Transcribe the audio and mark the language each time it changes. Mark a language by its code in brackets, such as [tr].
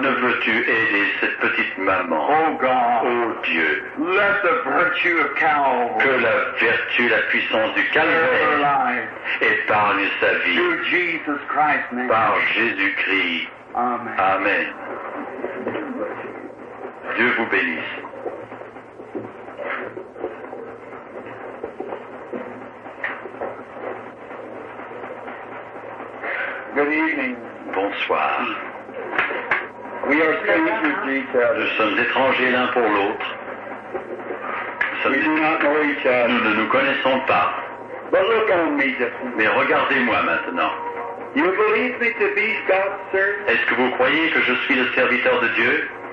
[fr] Ne veux-tu aider cette petite maman? [en] Oh God, [fr] oh Dieu, [en] let the virtue of Calvary. [fr] Que la vertu la puissance du calvaire épargne sa vie [en] through Jesus Christ, [fr] par Jésus-Christ. [en] Amen. [fr] Amen. Dieu vous bénisse. [en] Good evening. [fr] Bonsoir. [en] We are strangers to each other. [fr] Nous sommes étrangers l'un pour l'autre. Nous ne nous connaissons pas. [en] But look on me just... [fr] Mais regardez-moi maintenant. [en] You believe me to be God's servant? [fr] Est-ce que vous croyez que je suis le serviteur de Dieu?